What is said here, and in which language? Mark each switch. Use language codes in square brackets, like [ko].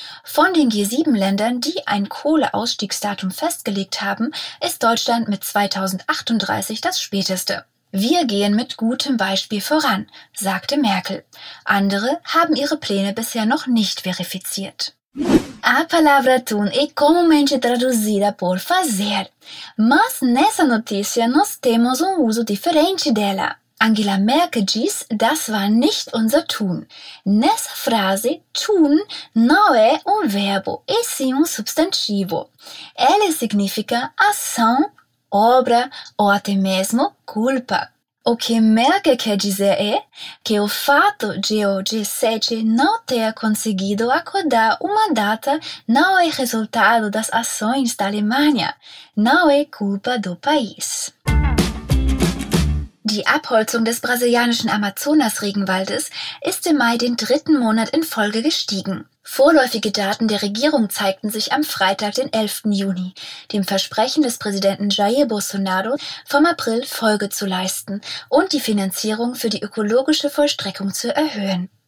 [de] Von den G7-Ländern, die ein Kohleausstiegsdatum festgelegt haben, ist Deutschland mit 2038 das späteste. Wir gehen mit gutem Beispiel voran, sagte Merkel. Andere haben ihre Pläne bisher noch nicht verifiziert. [pt] A palavra tun e comumente traduzida por fazer. Mas nessa notícia nós temos uso diferente dela. [de] Angela Merkel [pt] diz, [de] das war nicht unser Tun. [pt] Nessa frase, tun não é verbo, e sim substantivo. Ela significa ação, obra ou até mesmo culpa. O que Merkel quer dizer é que o fato de o G7 não ter conseguido acordar uma data não é resultado das ações da Alemanha, não é culpa do país. [de] Die Abholzung des brasilianischen Amazonas-Regenwaldes ist im Mai den dritten Monat in Folge gestiegen. Vorläufige Daten der Regierung zeigten sich am Freitag, den 11. Juni, dem Versprechen des Präsidenten Jair Bolsonaro, vom April Folge zu leisten und die Finanzierung für die ökologische Vollstreckung zu erhöhen.